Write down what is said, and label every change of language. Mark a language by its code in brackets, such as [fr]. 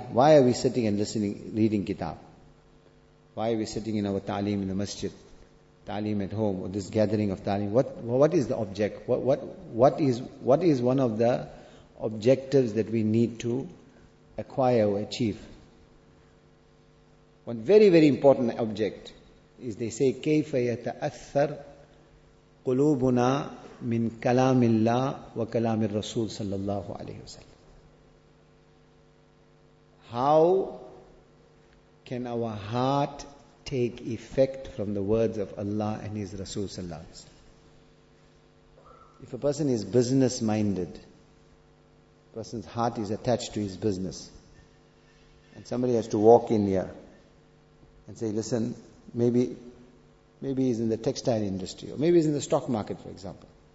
[en] Why are we sitting and listening, reading kitab? Why are we sitting in our ta'lim in the masjid, ta'lim at home, or this gathering of ta'lim? What is the object? What is one of the objectives that we need to acquire or achieve? One very, very important object is, they say, [ar] كَيْفَ يَتَأَثَّرْ قُلُوبُنَا مِنْ كَلَامِ اللَّهِ وَكَلَامِ الرَّسُولِ صَلَّى اللَّهُ عَلَيْهِ وَسَلَّمِ. [en] How can our heart take effect from the words of Allah and His Rasul sallallahu alayhi wa sallam? If a person is business minded, a person's heart is attached to his business, and somebody has to walk in here and say, listen, maybe he's in the textile industry, or maybe he's in the stock market, for example.